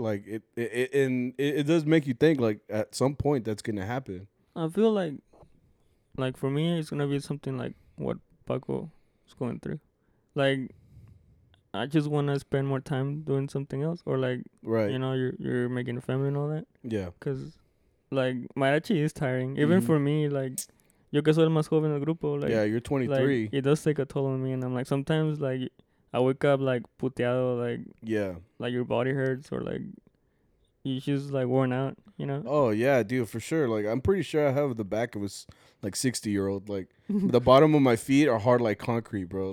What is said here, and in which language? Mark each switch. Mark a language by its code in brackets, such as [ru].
[en] Like it does make you think. Like at some point, that's gonna happen. I feel like. Like, for me, it's going to be something like what Paco is going through. Like, I just want to spend more time doing something else. Or, like, right. you know, you're making a family and all that. Yeah. Because, like, mariachi is tiring. Even mm-hmm. for me, like, [es] yo que soy el más joven del grupo. [en] Like, yeah, you're 23. Like, it does take a toll on me. And I'm like, sometimes, like, I wake up, like, puteado. Like, yeah. Like, your body hurts or, like, you're just, like, worn out, you know? Oh, yeah, dude, for sure. Like, I'm pretty sure I have the back of a... like 60 year old, like the bottom of my feet are hard like concrete, bro.